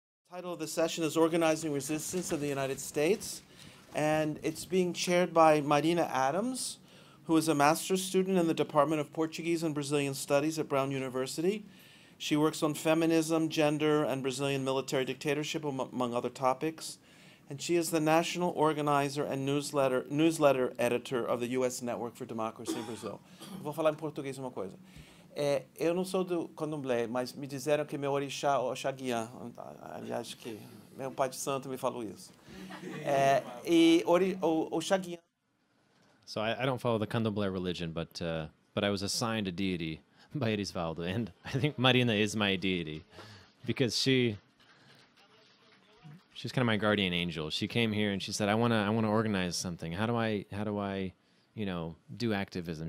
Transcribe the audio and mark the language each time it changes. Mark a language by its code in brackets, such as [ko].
[en] Title of the session is Organizing Resistance of the United States, and it's being chaired by Marina Adams, who is a master's student in the Department of Portuguese and Brazilian Studies at Brown University. She works on feminism, gender, and Brazilian military dictatorship, among other topics. And she is the national organizer and newsletter editor of the U.S. Network for Democracy in Brazil. [pt] Vou falar em português uma coisa. Eu não sou do candomblé, mas me disseram que meu orixá é Oxaguiã. Aliás, que meu pai de santo me falou isso. Oxaguiã. [en] So I don't follow the candomblé religion, but I was assigned a deity by Erisvaldo, and I think Marina is my deity, because she's kind of my guardian angel. She came here and she said, I want to organize something. How do I, you know, do activism?